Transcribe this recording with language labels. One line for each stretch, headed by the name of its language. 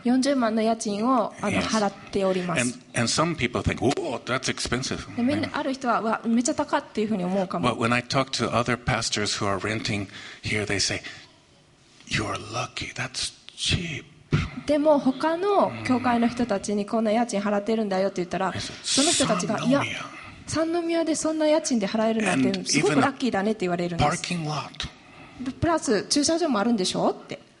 Japanese: 40万の家賃を払っております。
English: and some people think, whoa, that's expensive. で、yeah.
Japanese: ある人はわめちゃ高っていうふうに思うかも。
English: But when I talk to other pastors who are renting here, they say, you're lucky, that's cheap.
Japanese: でも他の教会の人たちにこんな家賃払ってるんだよって言ったら、その人たちがいや三宮でそんな家賃で払えるなんてすごくラッキーだねって言われるんです。プラス駐車場もあるんでしょって